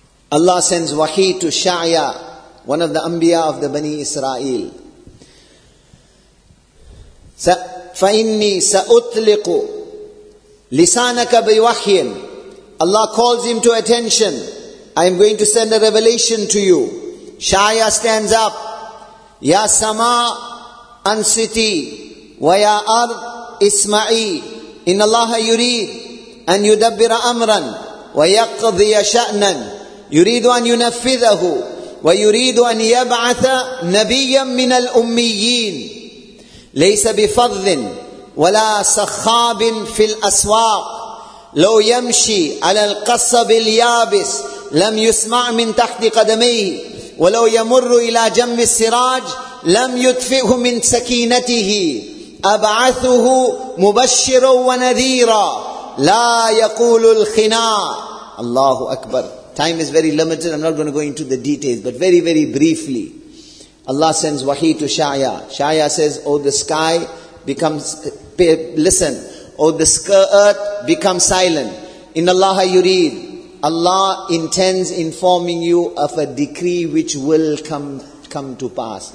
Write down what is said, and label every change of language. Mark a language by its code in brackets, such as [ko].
[en] Allah sends wahi to sha'ya, one of the anbiya of the bani Israel. [ar] فَإِنِّي سَأُطْلِقُ لِسَانَكَ بِوَحْيٍ. [en] Allah calls him to attention. I am going to send a revelation to you. Shaya stands up. [ar] يَا سَمَا أَنْسِتِي وَيَا أَرْضْ إِسْمَعِي إِنَّ اللَّهَ يُرِيدُ أَنْ يُدَبِّرَ أَمْرًا وَيَقْضِيَ شَأْنًا يُرِيدُ أَنْ يُنَفِّذَهُ وَيُرِيدُ أَنْ يَبْعَثَ نَبِيًّا مِنَ الْأُمِّيِّينَ ليس بفظ ولا سخاب في الأسواق لو يمشي على القصب اليابس لم يسمع من تحت قدميه ولو يمر إلى جنب السراج لم يدفئه من سكينته أبعثه مبشرا ونذيرا لا يقول الخناء. [en] الله أكبر. Time is very limited. I'm not going to go into the details, but very, very briefly, Allah sends wahi to Shaya. Shaya says, oh, the sky becomes, listen, oh, the earth becomes silent. In Allah yurid, Allah intends informing you of a decree which will come to pass.